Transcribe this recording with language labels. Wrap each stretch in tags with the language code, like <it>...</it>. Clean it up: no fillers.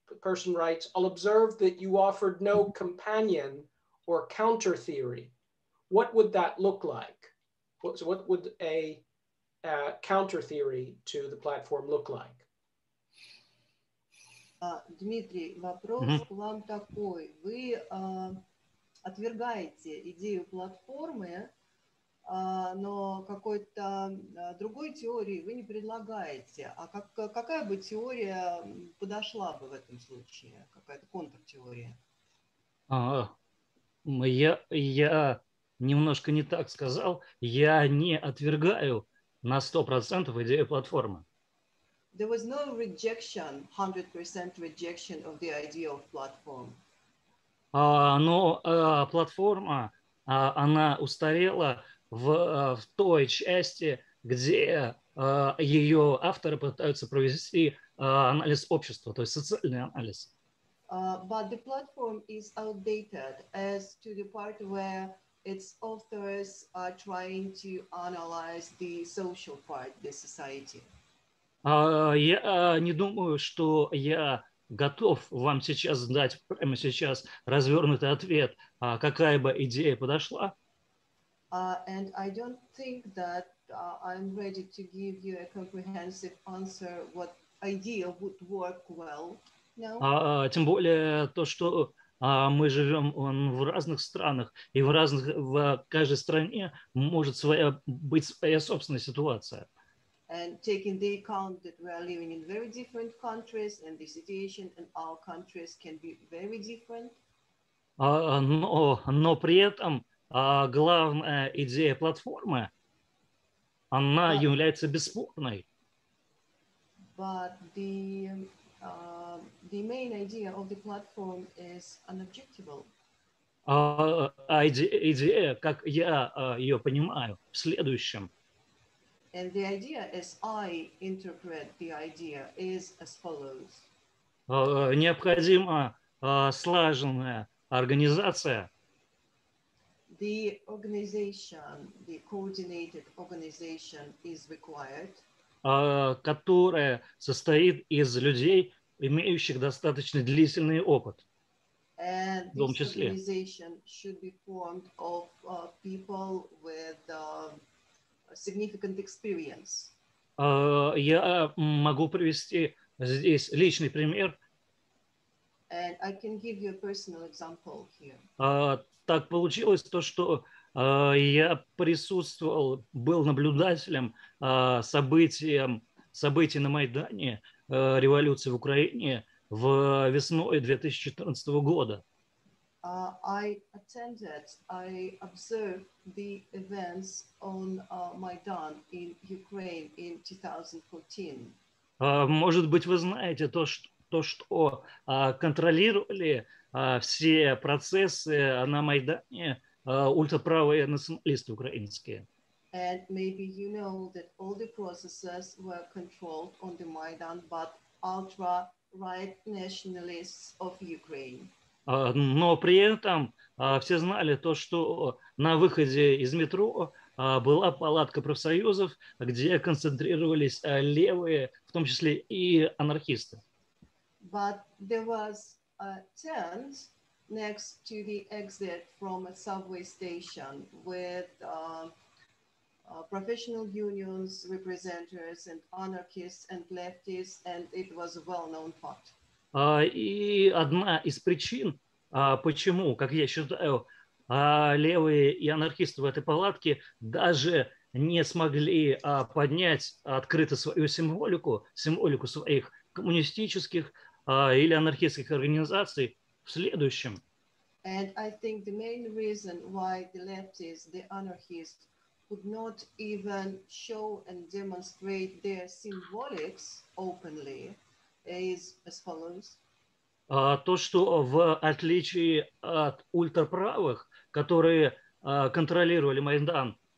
<en>person writes, I'll observe that you offered no companion or counter theory. What would that look like? What would a counter theory to the platform look like?</en> <ru>Дмитрий, вопрос к вам такой. Вы отвергаете идею платформы, но какой-то другой теории вы не предлагаете. А какая бы теория подошла бы в этом случае? Какая-то контртеория? Я немножко не так сказал. Я не отвергаю на 100% идею платформы.</ru> <en>There was no rejection, 100% rejection of the idea of platform.</en> <ru>Платформа, она устарела в той части, где ее авторы пытаются провести анализ общества, то есть социальный анализ.</ru> <en>But the platform is outdated as to the part where its authors are trying to analyze the social part, the society.</en> <ru>Я не думаю, что я готов вам сейчас дать прямо сейчас развернутый ответ, какая бы идея подошла.</ru> <en>And I don't think that I'm ready to give you a comprehensive answer what idea would work well. No?</en> <ru>Тем более то, что мы живем в разных странах, и в каждой стране может быть своя собственная ситуация.</ru> <en>And taking the account that we are living in very different countries and the situation in our countries can be very different.</en> <ru>Но при этом главная идея платформы, она является бесспорной.</ru> <en>But the main idea of the platform is unobjectable.</en> <ru>Идея, как я ее понимаю, в следующем.</ru> <en>And the idea, as I interpret the idea, is as follows.</en> <ru>Необходима слаженная организация.</ru> <en>The organization, the coordinated organization is required.</en> <ru>Которая состоит из людей, имеющих достаточно длительный опыт.</ru> <en>And this organization should be formed of people with significant experience.</en> <ru>Я могу привести здесь личный пример.</ru> <en>And I can give you a personal example here.</en> <ru>Так получилось то, что я присутствовал, был наблюдателем событий на Майдане, революции в Украине в весной 2014 года.</ru> <en>I attended, I observed the events on Maidan in Ukraine in 2014.</en> <ru>Может быть, вы знаете то, что контролировали все процессы на Майдане ультраправые националисты украинские.</ru> <en>And maybe you know that all the processes were controlled on the Maidan, but ultra-right nationalists of Ukraine.</en> <ru>Но при этом все знали то, что на выходе из метро была палатка профсоюзов, где концентрировались левые, в том числе и анархисты.</ru> <en>But there was a tent next to the exit from a subway station with professional unions, representatives and anarchists and leftists, and it was a well-known fact.</en> <ru>И одна из причин, почему, как я считаю, левые и анархисты в этой палатке даже не смогли поднять открыто свою символику своих коммунистических или анархистских организаций в следующем.</ru> <en>And I think the main reason why the leftists, the anarchists could not even show and demonstrate their symbolics openly is as follows.</en> <ru>То, что в отличие от ультраправых, которые контролировали Майдан.</ru>